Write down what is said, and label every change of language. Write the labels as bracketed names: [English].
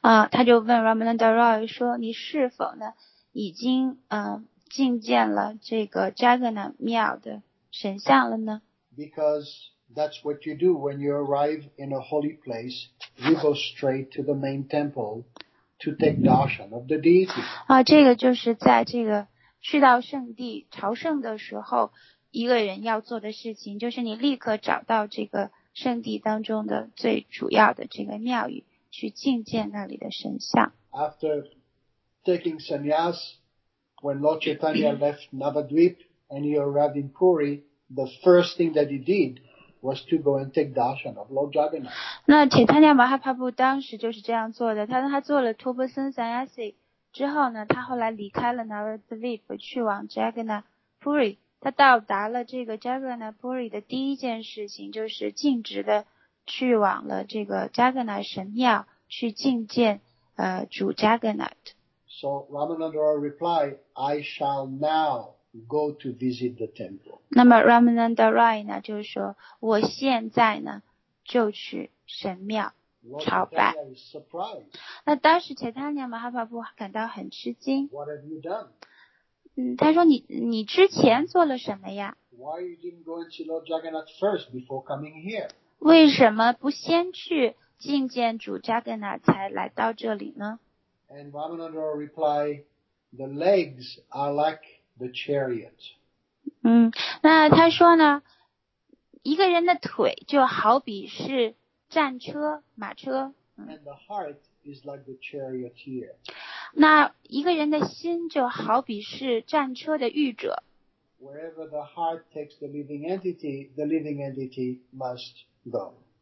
[Chinese] 他就问 Ramananda Roy 说，你是否呢已经觐见了这个 Jagannath 庙的神像了呢 [English] ？Because that's what you do when you arrive in a holy place. You go straight to the main temple to take darshan of the deity. [Chinese] 这个就是在这个去到圣地朝圣的时候。一个人要做的事情就是你立刻找到这个圣地当中的最主要的这个庙宇去觐见那里的神像。 [English] After taking sannyas, when Lord Chaitanya left Navadvip and he arrived in Puri, the first thing that he did was to go and take darshan of Lord Jagannath. [Chinese] 那铁坦尼亚马哈帕布当时就是这样做的，他做了托钵僧 sannyasi 之后呢，他后来离开了 Navadvip 去往 Jagannath Puri。他到达了这个 Jagannath Puri 的第一件事情就是径直的去往了这个 Jagannath 神庙去觐见主 Jagannath. [English] So Ramananda Roy replied, I shall now go to visit the temple. [Chinese] 那么 Ramananda Roy 呢就说我现在呢就去神庙朝拜。那当时 Chaitanya Mahaprabhu 感到很吃惊。 [English] What have you done? [Chinese] 他说你之前做了什么呀 [English] Why you didn't go and see Lord Jagannath first before coming here? [Chinese] 为什么不先去觐见主 Jagannath 才来到这里呢 [English] And Ramananda replied, the legs are like the chariot. [Chinese] 那他说呢一个人的腿就好比是战车马车。 [English] And the heart is like the charioteer. [Chinese] 那一个人的心就好比是战车的御者。 [English] Wherever the heart takes the living entity must go.